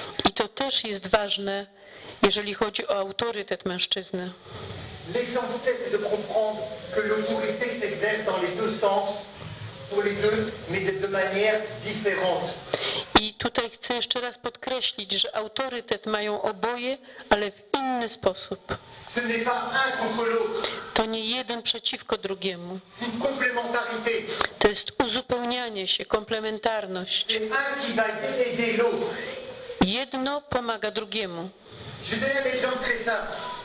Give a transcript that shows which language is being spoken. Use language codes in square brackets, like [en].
[pl] I to też jest ważne, jeżeli chodzi o autorytet mężczyzny. [fr] L'essentiel est de comprendre que l'autorité s'exerce dans les deux sens, pour les deux, mais de manière différente. [pl] I tutaj chcę jeszcze raz podkreślić, że autorytet mają oboje, ale w inny sposób. [fr] Ce n'est pas un contre l'autre. [pl] To nie jeden przeciwko drugiemu. [fr] C'est une complémentarité. [pl] To jest uzupełnianie się, komplementarność. [fr] C'est un qui va aider l'autre. [pl] Jedno pomaga drugiemu. [fr] Je vais donner un exemple très simple.